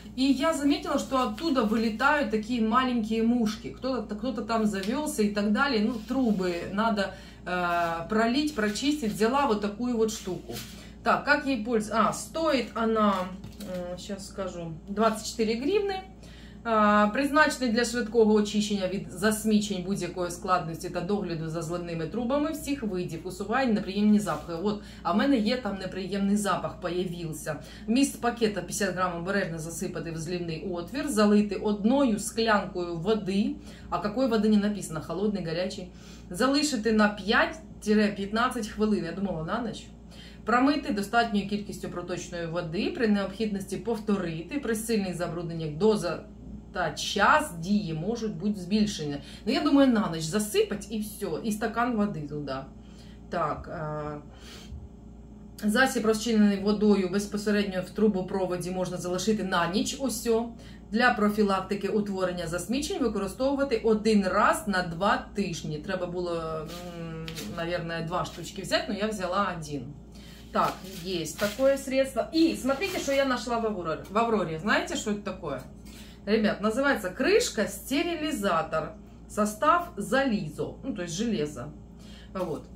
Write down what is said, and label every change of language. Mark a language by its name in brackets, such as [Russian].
[Russian] И я заметила, что оттуда вылетают такие маленькие мушки, кто-то там завелся и так далее, ну, трубы надо пролить, прочистить, взяла вот такую вот штуку. Так, как ей пользоваться? А, стоит она, сейчас скажу, 24 гривны. [Ukrainian] Призначена для швидкого очищення від засмічень будь-якої складності та догляду за зливними трубами всіх видів, усуває неприємні запахи. От, а в мене є там неприємний запах, появився. Міст пакета 50 грам обережно засипати в зливний отвір, залити одною склянкою води, а якої води не написано, холодний, гарячий, залишити на 5-15 хвилин, я думала, на ніч. Промити достатньою кількістю проточної води, при необхідності повторити, при сильних забрудненнях доза та час дії можуть бути збільшені. Ну, я думаю, на ніч засипати і все, і стакан води туди. Так, Засіб, розчинений водою безпосередньо в трубопроводі, можна залишити на ніч усьо. Для профілактики утворення засмічень використовувати один раз на два тижні. Треба було, наверное, два штучки взяти, но я взяла один. [Russian] Так, есть такое средство. И смотрите, что я нашла в Авроре. Знаете, что это такое? Ребят, называется крышка-стерилизатор. Состав зализо, ну, то есть железо. Вот.